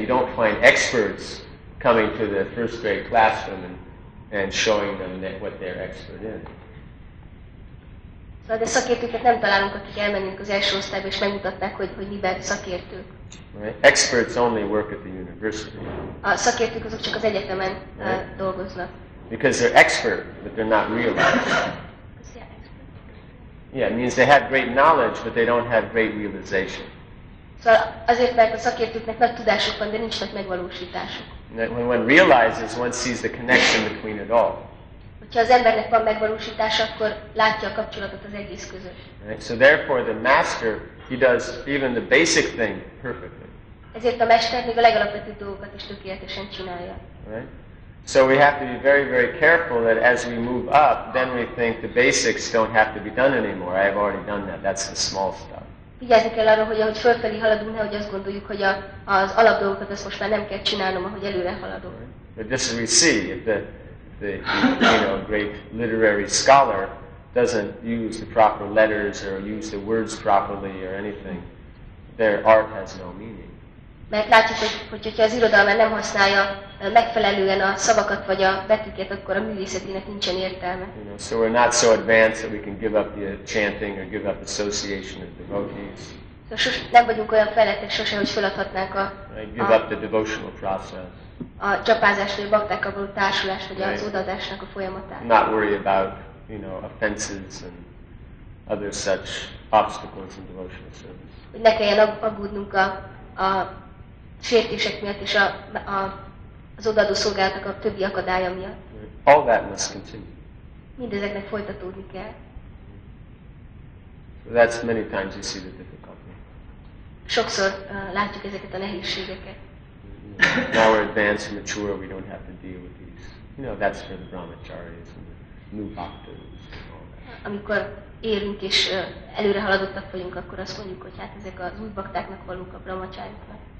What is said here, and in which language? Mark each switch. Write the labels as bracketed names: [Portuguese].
[English] You don't find experts coming to the first grade classroom and showing them that what they're expert in. [Hungarian] So the szakértőket nem találunk, akik elmennek az első osztályba és megmutatnák, hogy miben szakértők. [English] Right. Experts only work at the university. [Hungarian] A szakértők azok csak az egyetemen dolgoznak. [English] Because they're expert, but they're not realized. Yeah, it means they have great knowledge, but they don't have great realization. [Hungarian] So, azért, mert a szakértőknek nagy tudásuk van, de nincs nagy megvalósításuk. [English] When one realizes, one sees the connection between it all. [Hungarian] Hogyha az embernek van megvalósítása, akkor látja a kapcsolatot az egész között. [English] So therefore, the master, he does even the basic thing perfectly. [Hungarian] Ezért a mester még a legalapvetőbb dolgokat is tökéletesen csinálja. [English] Right? So we have to be very, very careful that as we move up, then we think the basics don't have to be done anymore. I've already done that. That's the small stuff. [Hungarian] Vigyázni kell arra, hogy ahogy fölfelé haladunk, nehogy azt gondoljuk, hogy az alapdolgokat ezt most már nem kell csinálnom, ahogy előre haladunk. [English] But just as we see, the great literary scholar doesn't use the proper letters or use the words properly or anything, their art has no meaning. [Hungarian] Mert látjuk, hogy hogyha az irodalmár nem használja megfelelően a szavakat vagy a betűket, akkor a művészetének nincsen értelme. [English] You know, so we're not so advanced that we can give up the chanting or give up association of devotees. [Hungarian] So nem vagyunk olyan fejlettek sose, hogy feladhatnánk a [English] give up the devotional process. [Hungarian] A csapázás vagy a baktákkal való társulás vagy az odaadásnak a folyamatát. [English] Not worry about, you know, offenses and other such obstacles in devotional service. [Hungarian] Ne kelljen aggódnunk a sértések miatt és a az odaadó szolgálatnak a többi akadálya miatt. [English] All that must continue. [Hungarian] Mindezeknek folytatódni kell. [English] So that's many times you see the difficulty. [Hungarian] Sokszor látjuk ezeket a nehézségeket. [English] Now we're advanced and mature, we don't have to deal with these. You know, that's for the brahmacharis and the new bhaktas and all that. [Hungarian] Amikor érünk és előre haladottak vagyunk, akkor azt mondjuk, hogy hát ezek az új baktáknak valók, a brahmacháriknak.